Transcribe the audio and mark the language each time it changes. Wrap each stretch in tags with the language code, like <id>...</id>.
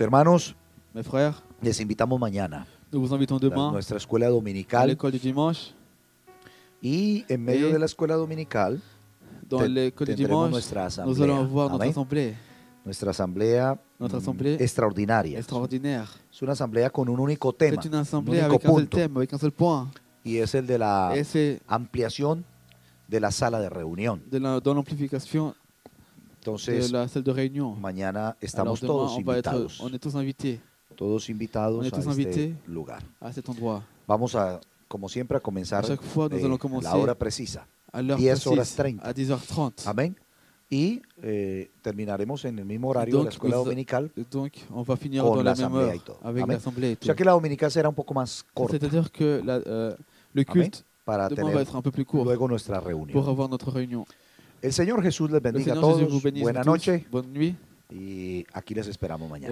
<es>Hermanos, les invitamos mañana.</es> <fr>Nous vous invitons demain à notre école dominicale. L'école du dimanche. Et</fr> <es>en medio de la escuela dominical,</es> <fr>dans l'école du dimanche, nous allons voir notre assemblée. Notre assemblée extraordinaire. Extraordinaire. C'est une assemblée avec un unique thème. C'est une assemblée avec un seul thème, avec un seul point. Et c'est celle de la ampliation de la salle de réunion. De l'amplification de la salle de réunion.</fr> <es>Mañana estamos todos invitados.</es> <fr>On est tous invités.</fr> <es>Todos invitados a este lugar.</es> <fr>A cet endroit.</fr> <es>Vamos a, como siempre, a comenzar</es> <fr>a fois, nous allons commencer</fr> <es>la hora precisa.</es> <fr>À l'heure 10 horas 30. À 10h30.</fr> <es>Amén. Y terminaremos en el mismo horario de la escuela dominical.</es> <fr>Donc, on va finir dans la même heure avec l'assemblée.</fr> <es>O sea que la dominical será un poco más corta.</es> <fr>C'est-à-dire que le culte</fr> <es>para</es> <fr>demain va être un peu plus court.</fr> <es>Luego nuestra reunión.</es> <fr>Pour avoir notre réunion.</fr> <es>El Señor Jesús les bendiga a todos. Buenas noches.</es> <fr>Bonne nuit.</fr> <es>Y aquí les esperamos mañana.</es>